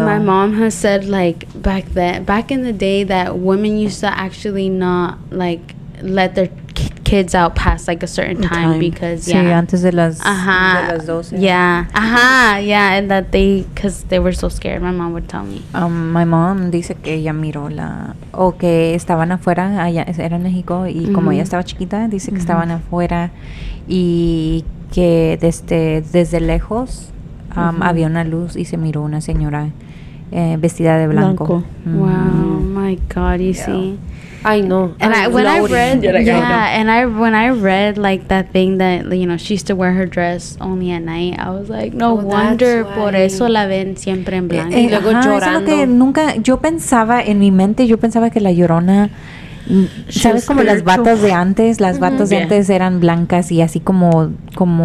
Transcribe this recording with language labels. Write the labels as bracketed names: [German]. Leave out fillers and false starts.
[English] And my mom has said like back in the day that women used to actually not like let their kids out past like a certain time because [Spanish] antes de las 12. [English] Yeah, and that they, because they were so scared, my mom would tell me. My mom [Spanish] dice que ella miró la, o que estaban afuera, allá era en México, y como ella estaba chiquita, dice que estaban afuera y que desde lejos había una luz y se miró una señora vestida de blanco. [English] Wow, my God, you see. I know. And when I read like that thing that, you know, she used to wear her dress only at night, I was like, no wonder [Spanish] por eso la ven siempre en blanco. Y luego llorando. Eso es lo que nunca, yo pensaba en mi mente, yo pensaba que la Llorona ¿Sabes como las batas de antes? Las batas de antes eran blancas y así como, como